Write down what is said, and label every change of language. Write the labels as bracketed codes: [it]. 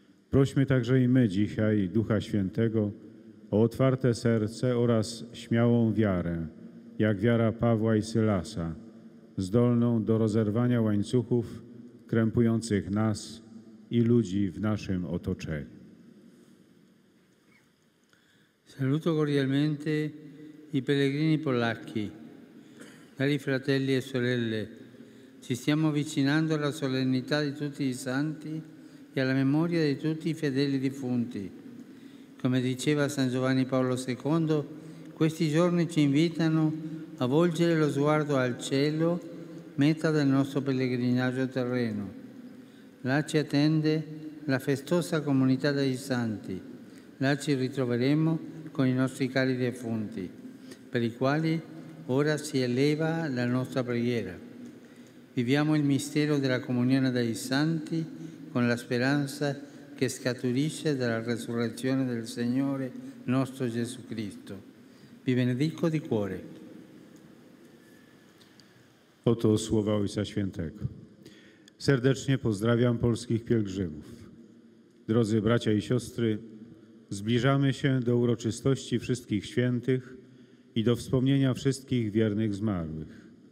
[pl] Prośmy także i my dzisiaj Ducha Świętego o otwarte serce oraz śmiałą wiarę, jak wiara Pawła i Sylasa, zdolną do rozerwania łańcuchów krępujących nas i ludzi w naszym otoczeniu. [it] Saluto cordialmente i pellegrini polacchi, cari fratelli e sorelle, ci stiamo avvicinando alla solennità di tutti i santi e alla memoria di tutti i fedeli defunti. Come diceva San Giovanni Paolo II, questi giorni ci invitano a volgere lo sguardo al cielo, meta del nostro pellegrinaggio terreno. Là ci attende la festosa comunità dei santi, là ci ritroveremo con i nostri cari defunti, per i quali ora si eleva la nostra preghiera. Viviamo il mistero della comunione dei santi con la speranza che scaturisce dalla resurrezione del Signore nostro Gesù Cristo. Vi benedico di cuore. [pl] Oto słowa Ojca Świętego. Serdecznie pozdrawiam polskich pielgrzymów. Drodzy bracia i siostry, zbliżamy się do uroczystości Wszystkich Świętych i do wspomnienia wszystkich wiernych zmarłych.